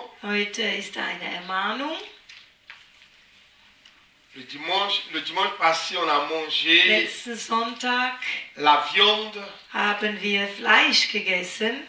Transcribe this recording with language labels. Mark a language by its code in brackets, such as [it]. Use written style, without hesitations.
[de] Heute ist eine Ermahnung. [fr] Le dimanche passé on a mangé. [de] Letzten Sonntag. [fr] La viande. [de] Haben wir Fleisch gegessen.